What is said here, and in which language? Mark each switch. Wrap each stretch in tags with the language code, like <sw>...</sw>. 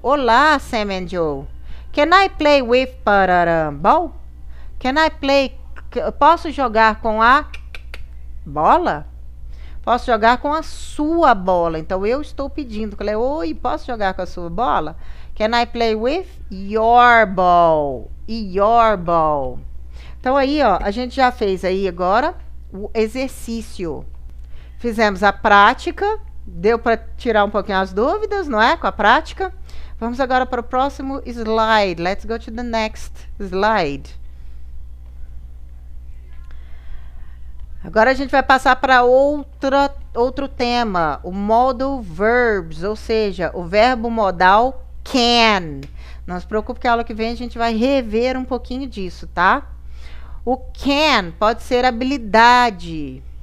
<pt>Olá,</pt> <en>Sam and Joe. Can I play with pararam? Ball? Can I play?</en> <pt>Posso jogar com a bola? Posso jogar com a sua bola. Então, eu estou pedindo. Falei, oi, posso jogar com a sua bola?</pt> <en>Can I play with your ball? Your ball.</en> <pt>Então, aí, ó, a gente já fez aí agora o exercício. Fizemos a prática. Deu para tirar um pouquinho as dúvidas, não é? Com a prática. Vamos agora para o próximo slide.</pt> <en>Let's go to the next slide.</en> <pt>Agora a gente vai passar para outro tema. O modal verbs, ou seja, o verbo modal can. Não se preocupe que a aula que vem a gente vai rever um pouquinho disso, tá? O can pode ser habilidade.</pt>